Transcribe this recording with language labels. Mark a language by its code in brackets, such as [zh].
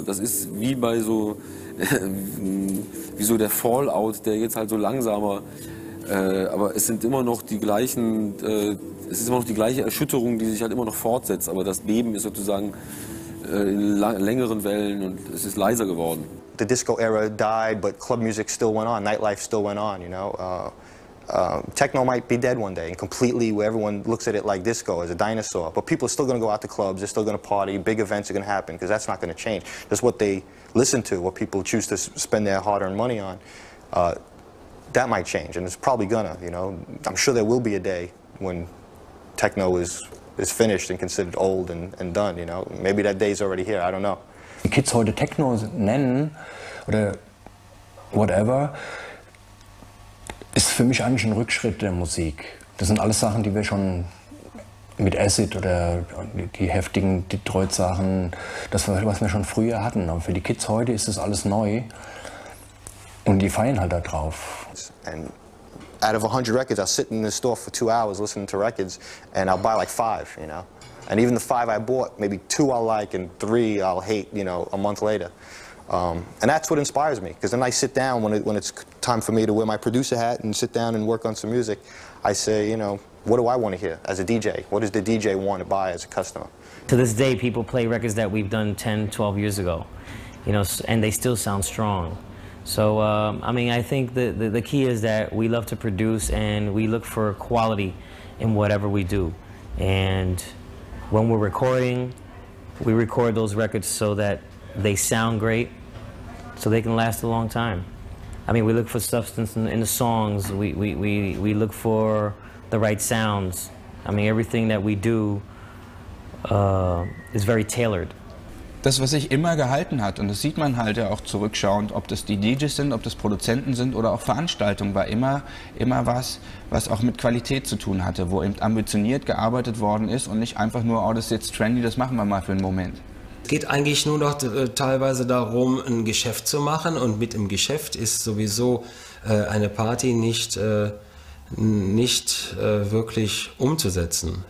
[de] Das ist wie bei so, wie so der Fallout, der jetzt halt so langsamer. Aber es sind immer noch die gleichen, es ist immer noch die gleiche Erschütterung, die sich halt immer noch fortsetzt. Aber das Beben ist sozusagen in längeren Wellen und es ist leiser geworden. [en] The disco era died, but club music still went on. Nightlife still went on, you know. Techno might be dead one day and completely where everyone looks at it like disco as a dinosaur, but people are still going to go out to clubs, they're still going to party, big events are going to happen, because that's not going to change. That's what they listen to, what people choose to spend their hard-earned money on. That might change, and it's probably gonna, you know. I'm sure there will be a day when techno is finished and considered old and done, you know. Maybe that day is already here, I don't know. [de] Die Kids heute Techno nennen oder whatever, ist für mich eigentlich ein Rückschritt der Musik. Das sind alles Sachen, die wir schon mit Acid oder die heftigen Detroit-Sachen, das, was wir schon früher hatten. Aber für die Kids heute ist das alles neu und die feiern halt da drauf. [en] And out of 100 records, I'll sit in the store for 2 hours listening to records and I'll buy like 5, you know. And even the 5 I bought, maybe 2 I'll like and 3 I'll hate, you know, a month later. And that's what inspires me, because then I sit down when it's time for me to wear my producer hat and sit down and work on some music. I say, you know, what do I want to hear as a DJ? What does the DJ want to buy as a customer? To this day, people play records that we've done 10, 12 years ago, you know, and they still sound strong. So, I mean, I think the key is that we love to produce and we look for quality in whatever we do. And when we're recording, we record those records so that they sound great, so they can last a long time. I mean, we look for substance in the songs. We look for the right sounds. I mean, everything that we do is very tailored. [de] Das, was sich immer gehalten hat, und das sieht man halt ja auch zurückschauend, ob das die DJs sind, ob das Produzenten sind oder auch Veranstaltungen, war immer was, was auch mit Qualität zu tun hatte, wo eben ambitioniert gearbeitet worden ist und nicht einfach nur, oh, das ist jetzt trendy, das machen wir mal für einen Moment. Es geht eigentlich nur noch teilweise darum, ein Geschäft zu machen, und mit im Geschäft ist sowieso eine Party nicht wirklich umzusetzen.